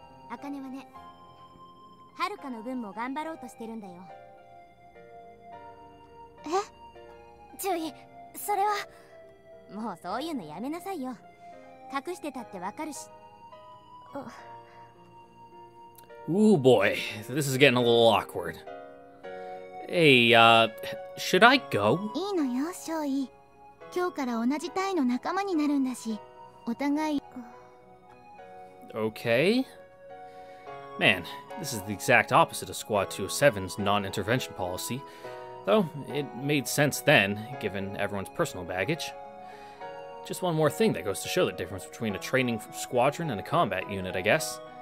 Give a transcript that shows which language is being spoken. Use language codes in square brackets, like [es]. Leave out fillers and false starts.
[ja] アカネはね、ハルカの分も頑張ろうとしてるんだよ。え？注意、それは。もうそういうのやめなさいよ。隠してたってわかるし。 [en] Ooh boy, this is getting a little awkward. Hey, should I go? [ja] いいのよ、翔一。今日から同じ隊の仲間になるんだし、お互い。 [en] Okay. Man, this is the exact opposite of Squad 207's non-intervention policy. Though, it made sense then, given everyone's personal baggage. Just one more thing that goes to show the difference between a training squadron and a combat unit, I guess.